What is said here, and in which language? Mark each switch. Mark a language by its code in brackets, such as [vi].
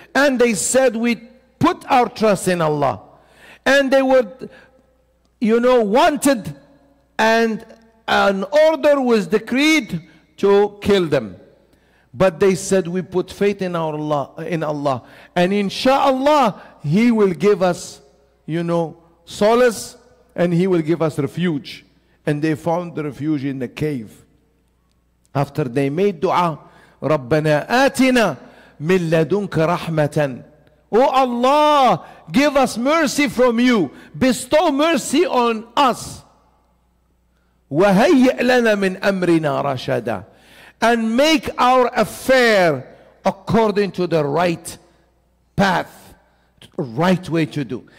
[en] And they said, we put our trust in Allah. And they were, you know, wanted, and an order was decreed to kill them. But they said, we put faith in our Allah, in Allah. And Insha'Allah, He will give us, you know, solace, and He will give us refuge. And they found the refuge in the cave. After they made dua, [ar] رَبَّنَا آتِنَا مِنْ لَدُنْكَ رَحْمَةً. [en] Oh Allah, give us mercy from you. Bestow mercy on us. [ar] وَهَيِّئْ لَنَا مِنْ أَمْرِنَا رَشَدًا. [en] And make our affair according to the right path, right way to do.